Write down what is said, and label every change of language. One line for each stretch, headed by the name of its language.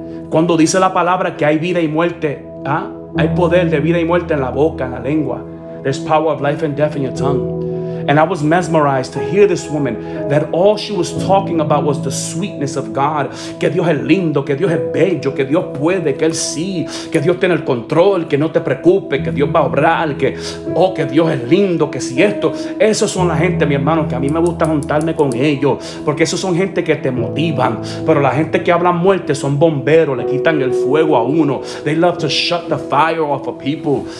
Spanish: Cuando dice la palabra que hay vida y muerte, ¿ah? Hay poder de vida y muerte en la boca, en la lengua.
English: There's power of life and death in your tongue. And I was mesmerized to hear this woman, that all she was talking about was the sweetness of God.
Spanish: Que Dios es lindo, que Dios es bello, que Dios puede, que Él sí, que Dios tiene el control, que no te preocupes, que Dios va a obrar, que, oh, que Dios es lindo, que si esto. Esos son la gente, mi hermano, que a mí me gusta juntarme con ellos, porque esos son gente que te motivan. Pero la gente que habla muerte son bomberos, le quitan el fuego a uno.
English: They love to shut the fire off of people.